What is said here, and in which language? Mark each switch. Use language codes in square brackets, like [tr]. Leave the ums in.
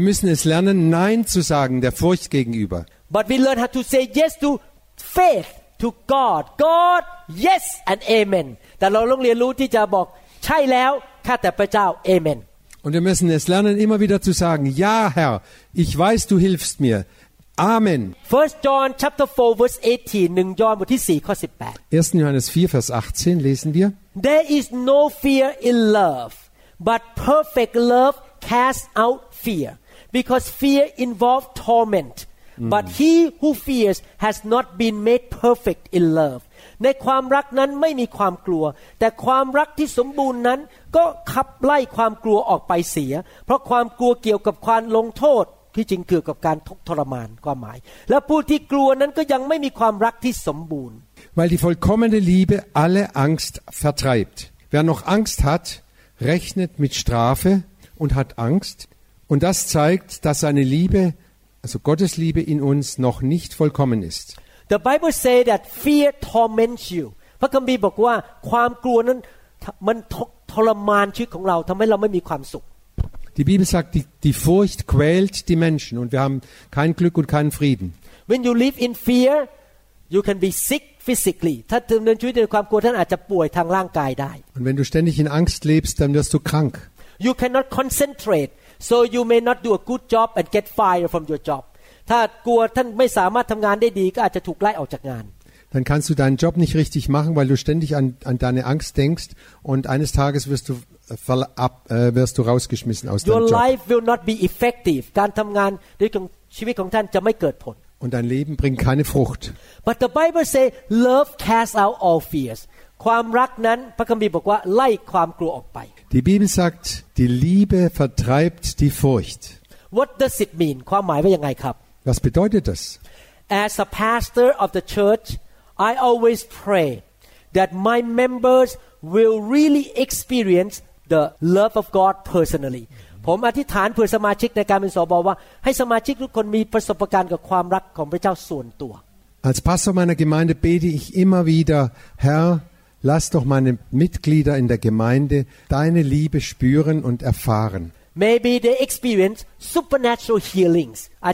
[de] müssen es lernen nein zu sagen der Furcht gegenüber [en] But we learn how to say yes to faith to God God yes and amen [th] แต่เราต้องเรียนรู้ที่จะบอกใช่แล้วข้าแต่พระเจ้า [en] amen [de] Und wir müssen es lernen immer wieder zu sagen ja Herr ich weiß du hilfst mir amen [en] 1 John chapter 4 verse 18 [de] 1 Johannes 4 vers 18 lesen wir [en] There is no fear in love [th] but perfect love cast out fear because fear involves torment but he who fears has not been made perfect in love ในความรักนั้นไม่มีความกลัว แต่ความรักที่สมบูรณ์นั้น ก็ขับไล่ความกลัวออกไปเสีย เพราะความกลัวเกี่ยวกับความลงโทษ ที่จริงคือกับการทุกทรมานความหมาย และผู้ที่กลัวนั้นก็ยังไม่มีความรักที่สมบูรณ์ [de] weil die vollkommene Liebe alle Angst vertreibt wer noch Angst hat rechnet mit Strafe und hat Angst. Und das zeigt, dass seine Liebe, also Gottes Liebe in uns, noch nicht vollkommen ist. [en] The Bible says that fear torments you. [th] พระคัมภีร์บอกว่าความกลัวนั้นมันท,ทรมานชีวิตของเราทําให้เราไม่มีความสุข [de] Die Bibel sagt die die Furcht quält die Menschen und wir haben kein Glück und keinen Frieden [en] When you live in fear you can be sick physically [th] ถ้าดำเนินชีวิตในความกลัวท่านอาจจะ ป่วยทางร่างกายได้ [de] Und wenn du ständig in Angst lebst dann wirst du krank Du kannst nicht konzentrieren, [en] so you may not do a good job and get fired from your job [th] ถ้ากลัวท่านไม่สามารถทำงานได้ดีก็อาจจะถูกไล่ออกจากงาน [de] dann kannst du deinen Job nicht richtig machen weil du ständig an, an deine Angst denkst und eines Tages wirst du, uh, ab, uh, wirst du rausgeschmissen aus your deinem Job your [en] life will not be effective [th] การทำงานด้วยชีวิตของท่านจะไม่เกิดผล [de] und dein Leben bringt keine Frucht [en] but the Bible say love casts out all fears [th] ความรักนั้นพระคัมภีร์บอกว่าไล่ความกลัวออกไป [de] Die Bibel sagt die Liebe vertreibt die Furcht [en] What does it mean [th] ความหมายว่ายังไงครับ [de] Was bedeutet das [en] As a pastor of the church I always pray that my members will really experience the love of God personally [th] ผมอธิษฐานเพื่อสมาชิกในการเป็นสบว่าให้สมาชิกทุกคนมีประสบการณ์กับความรักของพระเจ้าส่วนตัว [de] Als Pastor meiner Gemeinde bete ich immer wieder Herr Lass doch meine Mitglieder in der Gemeinde deine Liebe spüren und erfahren. [en] Maybe they experience supernatural healings.